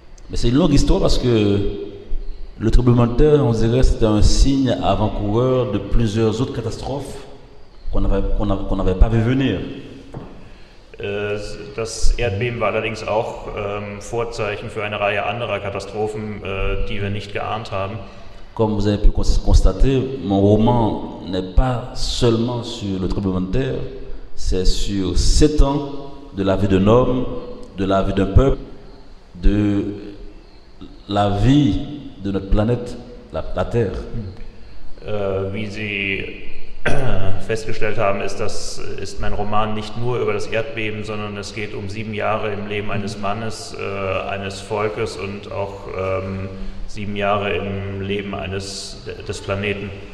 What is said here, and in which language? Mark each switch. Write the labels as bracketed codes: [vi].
[fr] Mais c'est une longue histoire parce que le tremblement de terre, on dirait, c'était un signe avant-coureur de plusieurs autres catastrophes qu'on n'avait pas vu venir. [de] Das Erdbeben war allerdings auch Vorzeichen für eine Reihe anderer Katastrophen, die wir nicht geahnt haben. [fr] Comme vous avez pu constater, mon roman n'est pas seulement sur le tremblement de terre, c'est sur 7 ans de la vie d'un homme, de la vie d'un peuple, de la vie de notre planète, la Terre. [de] Wie Sie festgestellt haben, ist mein Roman nicht nur über das Erdbeben, sondern es geht um 7 Jahre im Leben eines Mannes, eines Volkes und auch 7 Jahre im Leben des Planeten.